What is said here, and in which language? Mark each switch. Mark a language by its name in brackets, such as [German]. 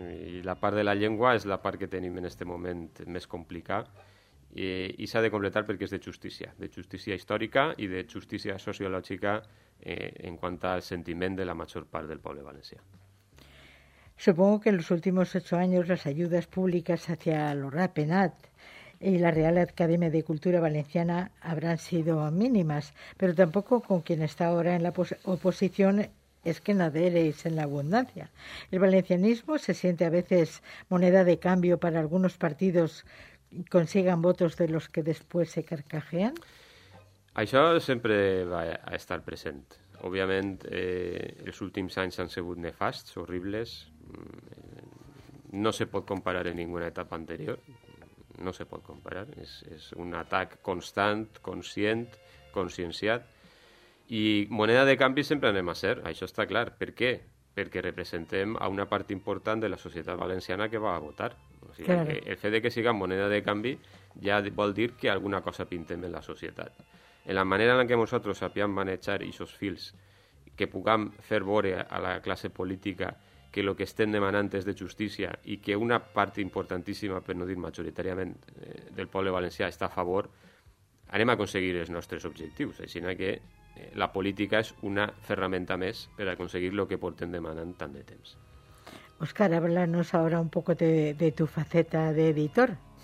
[Catalan] I la part de la llengua és la part que tenim en este moment més complicada, i s'ha de completar perquè és de justícia històrica i de justícia sociològica [Spanish] en cuanto al sentimiento de la mayor parte del pueblo de Valencia. Supongo que en los últimos 8 años las ayudas públicas hacia los RAPENAT y la Real Academia de Cultura Valenciana habrán sido mínimas, pero tampoco con quien está ahora en la oposición es que nadéis en la abundancia. El valencianismo se siente a veces moneda de cambio para algunos partidos que consigan votos de los que después se carcajean. [Catalan] Això sempre va a estar present. Òbviament, els últims anys han sigut nefasts, horribles. No se pot comparar en ninguna etapa anterior. No se pot comparar. És un atac constant, conscient, conscienciat. I moneda de canvi sempre anem a ser. Això està clar. Per què? Perquè representem a una part important de la societat valenciana que va a votar. O sigui, claro. El fet de que siga moneda de canvi ja vol dir que alguna cosa pintem en la societat. En la manera en la que nosaltres sapiem manejar aquests fils, que puguem fer veure a la classe política que el que estem demanant és de justícia i que una part importantíssima, per no dir majoritàriament, del poble valencià està a favor, anem a aconseguir els nostres objectius. Així que la política és una ferramenta més per aconseguir el que portem demanant tant de temps. [Spanish] Óscar, háblanos ahora un poco de tu faceta de editor.